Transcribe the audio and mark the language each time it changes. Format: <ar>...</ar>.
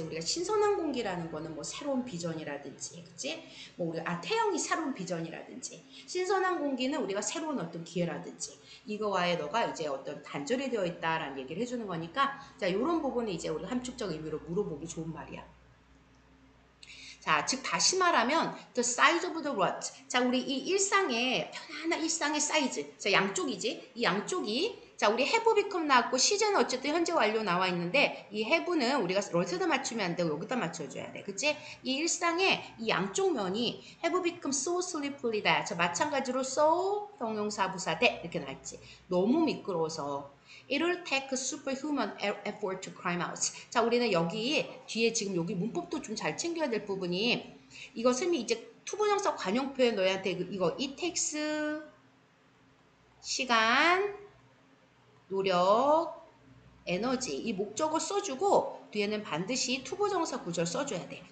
<ko>우리가 신선한 공기라는 거는 뭐 새로운 비전이라든지, 그치? 뭐 우리가, 아, 태양이 새로운 비전이라든지, 신선한 공기는 우리가 새로운 어떤 기회라든지, 이거와의 너가 이제 어떤 단절이 되어 있다라는 얘기를 해주는 거니까, 자, 이런 부분은 이제 우리가 함축적 의미로 물어보기 좋은 말이야.</ko> <en>자,</en> <ko>즉 다시 말하면</ko> <en>the size of the what.</en> <ko>자, 우리 이 일상의 편안한 일상의 사이즈. 자, 양쪽이지. 이 양쪽이 자, 우리 have become 나왔고 시제는 어쨌든 현재 완료 나와 있는데 이 have는 우리가 로트에다 맞추면 안 되고 여기다 맞춰 줘야 돼. 그렇지? 이 일상의 이 양쪽 면이</ko> <en>have become so sleepily</en> <ko>다. 자, 마찬가지로 so 형용사 부사 돼. 이렇게 나왔지. 너무 미끄러워서</ko> <en>It'll take a superhuman effort to climb out.</en> <ko>자, 우리는 여기 뒤에 지금 여기 문법도 좀 잘 챙겨야 될 부분이 이거 선생님이 이제 투분형사 관용 표현 너희한테 이거 It takes 시간, 노력, 에너지 이 목적어 써주고 뒤에는 반드시 투부정사 구절 써줘야 돼.</ko>